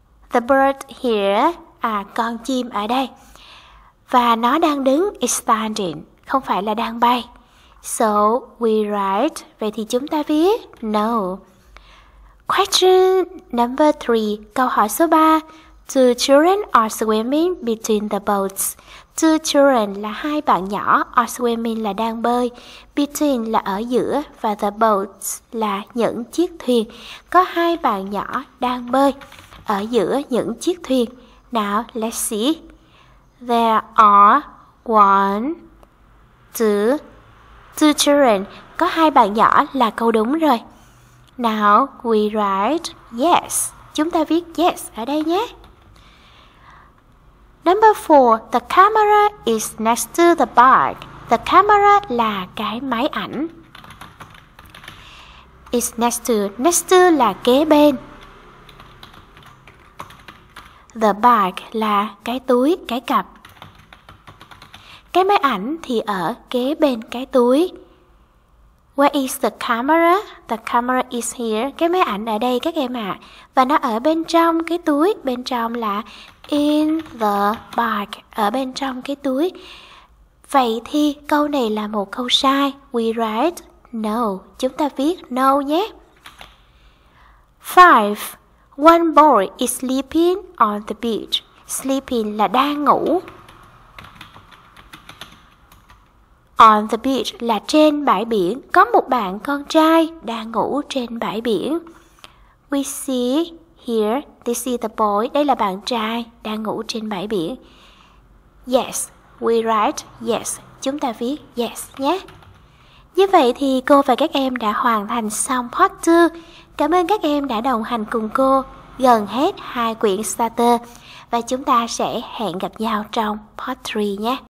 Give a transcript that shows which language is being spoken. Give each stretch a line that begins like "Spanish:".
English: The bird here.
Vietnamese: À, con chim ở đây. Và nó đang đứng.
English: Is standing.
Vietnamese: Không phải là đang bay.
English: So we write,
Vietnamese: vậy thì chúng ta viết no.
English: Question number 3,
Vietnamese: câu hỏi số 3.
English: Two children are swimming between the boats. Two children
Vietnamese: là hai bạn nhỏ,
English: are swimming
Vietnamese: là đang bơi, between là ở giữa và
English: the boats
Vietnamese: là những chiếc thuyền. Có hai bạn nhỏ đang bơi ở giữa những chiếc thuyền.
English: Now let's see. There are one, two.
Vietnamese: Two children, có hai bạn nhỏ là câu đúng rồi.
English: Now we write yes.
Vietnamese: Chúng ta viết yes ở đây nhé.
English: Number 4, the camera is next to the bike. The camera
Vietnamese: là cái máy ảnh.
English: Is next to
Vietnamese: là kế bên.
English: The bike
Vietnamese: là cái túi, cái cặp. Cái máy ảnh thì ở kế bên cái túi.
English: Where is the camera? The camera is here.
Vietnamese: Cái máy ảnh ở đây các em ạ. À. Và nó ở bên trong cái túi. Bên trong là
English: in the bag.
Vietnamese: Ở bên trong cái túi. Vậy thì câu này là một câu sai.
English: We write no.
Vietnamese: Chúng ta viết no nhé. 5.
English: One boy is sleeping on the beach.
Vietnamese: Sleeping là đang ngủ.
English: On the beach
Vietnamese: là trên bãi biển. Có một bạn con trai đang ngủ trên bãi biển.
English: We see here, this is the boy.
Vietnamese: Đây là bạn trai đang ngủ trên bãi biển.
English: Yes, we write yes.
Vietnamese: Chúng ta viết yes nhé. Như vậy thì cô và các em đã hoàn thành xong part 2. Cảm ơn các em đã đồng hành cùng cô gần hết hai quyển starter. Và chúng ta sẽ hẹn gặp nhau trong part 3 nhé.